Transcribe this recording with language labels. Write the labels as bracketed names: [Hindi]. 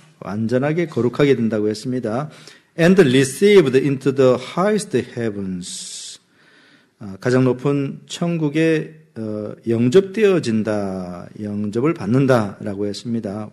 [Korean] 완전하게 거룩하게 된다고 했습니다. [English] And received into the highest heavens. [Korean] 가장 높은 천국에 영접되어진다, 영접을 받는다라고 했습니다.